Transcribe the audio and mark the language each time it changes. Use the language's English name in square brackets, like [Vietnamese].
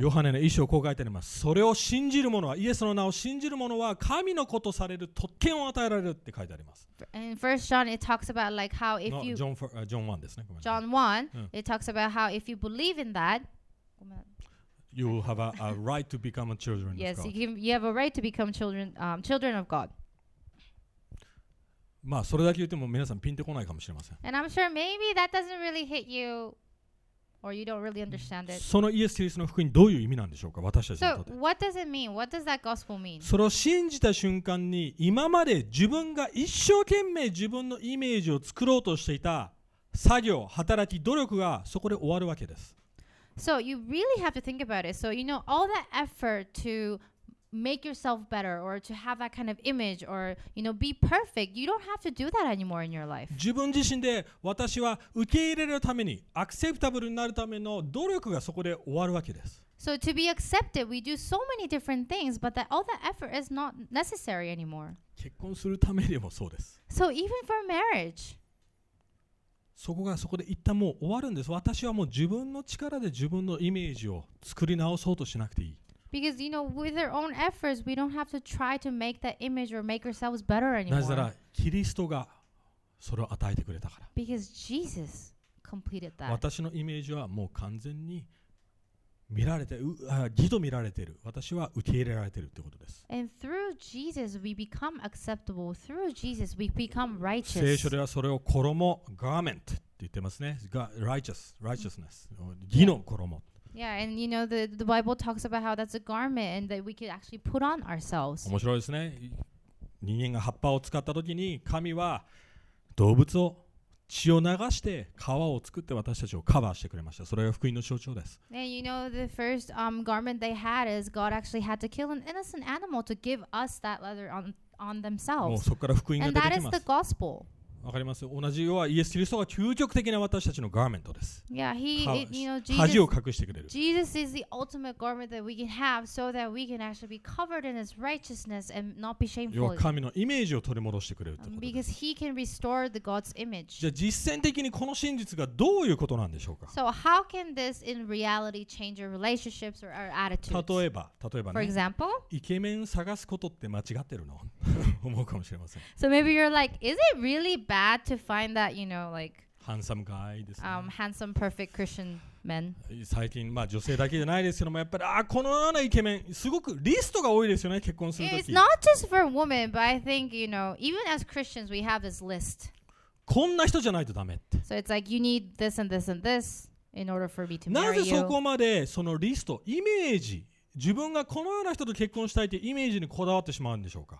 [Japanese] ヨハネの一章こう書いてあります。それを信じる者は、イエスの名を信じる者は神の子とされる特権を与えられるって書いてあります。 [English] In 1 John, it talks about like how if you... [Japanese] John 1ですね。 [English] John 1, it talks about how if you believe in that... You have a right to become a children yes, of God. Yes, you have a right to become children, children of God. [Japanese] まあそれだけ言っても皆さんピンとこないかもしれません。 [English] And I'm sure maybe that doesn't really hit you, or you don't really understand it. [Japanese] そのイエス・キリストの福音どういう意味なんでしょうか、私たちにとって。 [English] So what does it mean? What does that gospel mean? [Japanese] それを信じた瞬間に今まで自分が一生懸命自分のイメージを作ろうとしていた作業、働き、努力がそこで終わるわけです。 [English] So you really have to think about it. So you know all that effort to make yourself better or to have that kind of image or you know be perfect. You don't have to do that anymore in your life. [Japanese] 自分自身で私は受け入れるためにアクセプタブルになるための努力がそこで終わるわけです。 [English] So to be accepted, we do so many different things, but that all that effort is not necessary anymore. [Japanese] 結婚するためでもそうです。 [English] So even for marriage. [Japanese] そこがそこで一旦もう終わるんです。私はもう自分の力で自分のイメージを作り直そうとしなくていい。 [English] Because you know, with our own efforts, we don't have to try to make that image or make ourselves better anymore. [Japanese] なぜならキリストがそれを与えてくれたから。 [English] Because Jesus completed that. [Japanese] 私のイメージはもう完全に見られて、義と見られている。私は受け入れられているということです。 [English] And through Jesus we become acceptable. Through Jesus we become righteous. [Japanese] 聖書ではそれを衣、garment って言ってますね。 Righteousness、義の衣。 [English] Yeah, and you know the Bible talks about how that's a garment and that we could actually put on ourselves. [Japanese] 面白いですね。人間が葉っぱを使った時に神は動物を血を流して皮を作って私たちをカバーしてくれました。それが福音の象徴です。 [English] And you know the first garment they had is God actually had to kill an innocent animal to give us that leather on themselves. [Japanese] もうそこから福音が出てきます。 [English] And that is the gospel. [Japanese] わかります。同じようはイエス・キリストが究極的な私たちのガーメントです。 [English] Yeah, Jesus, [Japanese] 恥を隠してくれる。 [English] Jesus is the ultimate garment that we can have so that we can actually be covered in His righteousness and not be shameful. [Japanese] 要は神のイメージを取り戻してくれるということです。 [English] Because He can restore the God's image. [Japanese] じゃあ実践的にこの真実がどういうことなんでしょうか。 [English] So how can this in reality change your relationships or our attitudes? [Japanese] 例えばね。 [English] For example? [Japanese] イケメン探すことって間違ってるの？思うかもしれません。 [English] So maybe you're like, is it really bad to find that, you know, like handsome guy ですね。 Handsome, perfect Christian men. [Japanese] 最近、まあ女性だけじゃないですけども、やっぱりこのようなイケメン、すごくリストが多いですよね、結婚するとき。 [English] It's not just for women, but I think, you know, even as Christians, we have this list. [Japanese] こんな人じゃないとダメって。 [English] So it's like, you need this and this and this in order for me to marry [Japanese] you. なぜそこまでそのリスト、イメージ、自分がこのような人と結婚したいというイメージにこだわってしまうんでしょうか。